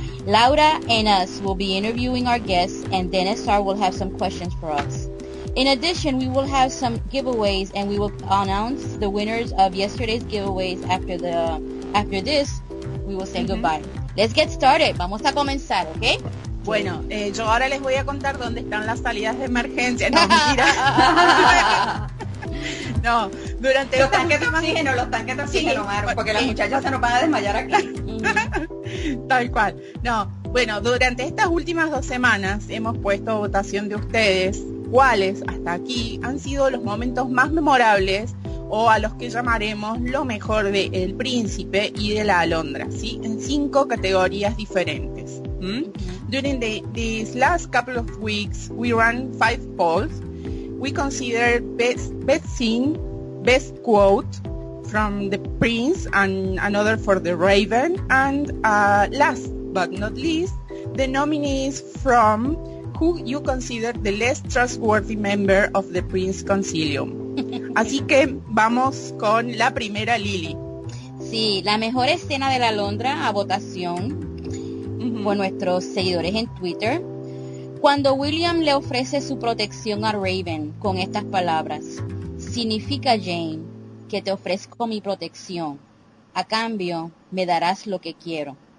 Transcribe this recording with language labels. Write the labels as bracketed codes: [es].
[en] Laura and us will be interviewing our guests and then Isara will have some questions for us. In addition, we will have some giveaways and we will announce the winners of yesterday's giveaways after this, we will say goodbye. Let's get started. [es] Vamos a comenzar, okay? Bueno, yo ahora les voy a contar dónde están las salidas de emergencia. No, mira. No, durante los tanques de oxígeno, porque las muchachas se nos van a desmayar aquí. Tal cual. No, bueno, durante estas últimas 2 semanas hemos puesto a votación de ustedes cuáles hasta aquí han sido los momentos más memorables o a los que llamaremos lo mejor de El Príncipe y de La Alondra, ¿sí? En 5 categorías diferentes. [en] During these last couple of weeks, we ran 5 polls. We considered best scene, best quote from The Prince and another for The Raven. And last but not least, the nominees from who you consider the less trustworthy member of The Prince Concilium. [es] Así que vamos con la primera, Lily. Sí, la mejor escena de La Alondra a votación por nuestros seguidores en Twitter, cuando William le ofrece su protección a Raven con estas palabras: significa, Jane, que te ofrezco mi protección, a cambio me darás lo que quiero.